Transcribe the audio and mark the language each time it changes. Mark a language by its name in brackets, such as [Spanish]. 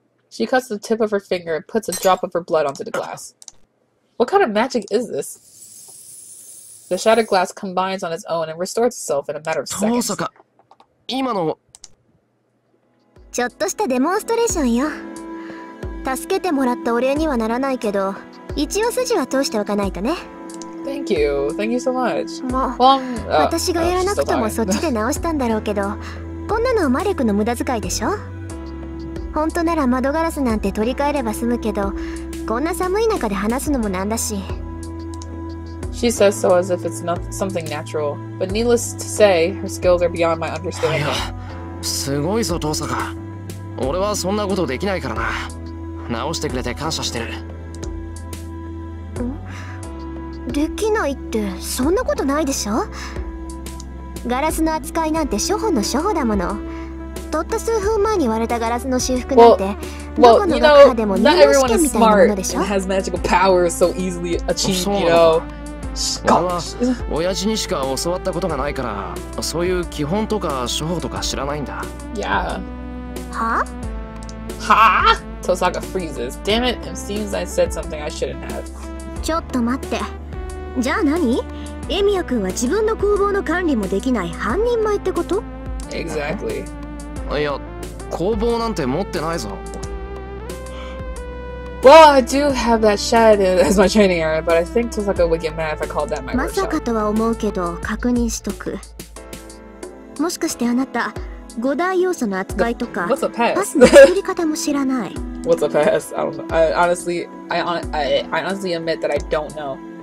[English] She cuts the tip of her finger and puts a drop of her blood onto the glass. What kind of magic is this? The shattered glass combines on its own and restores itself in a matter of seconds. [Japanese] Tosaka, 今のちょっとしたデモンストレーションよ。助けてもらったお礼にはならないけど、一応筋は通しておかないとね。 [English] Thank you. Thank you so much. [Japanese] まあ、私がやらなくてもそっちで直したんだろうけど、こんなのは魔力の無駄遣いでしょ。本当なら窓ガラスなんて取り替えれば済むけど、こんな寒い中で話すのもなんだし。 [English] She says so as if it's not something natural, but needless to say, her skills are beyond my understanding. [Japanese] すごいぞ、トーサカ。俺はそんなことできないからな。直してくれて感謝してる。できないって、そんなことないでしょ？ガラスの扱いなんて初歩の初歩だもの。たった数分前に割れたガラスの修復なんて、どこの学科でも入門試験みたいなものでしょ？ [English] Well, you know, not everyone is smart and has magical power so easily achieved, you know. [Japanese] 俺は親父にしか教わったことがないから、そういう基本とか処方とか知らないんだ。いや、は？は？ [English] トサカ freezes. Damn it! It seems I said something I shouldn't have. [Japanese] ちょっと待って。じゃあ何？エミヤ君は自分の工房の管理もできない半人前ってこと [English] ？Exactly. [Japanese] いや、工房なんて持ってないぞ。 [English] Well, I do have that shed as my training area, but I think Tosaka would get mad if I called that my workshop. [Japanese] まさかとは思うけど、確認しとく。もしかしてあなた、五大要素の扱いとか、パスの作り方も知らない。 [English] What's a pass? I don't know. I honestly admit that I don't know.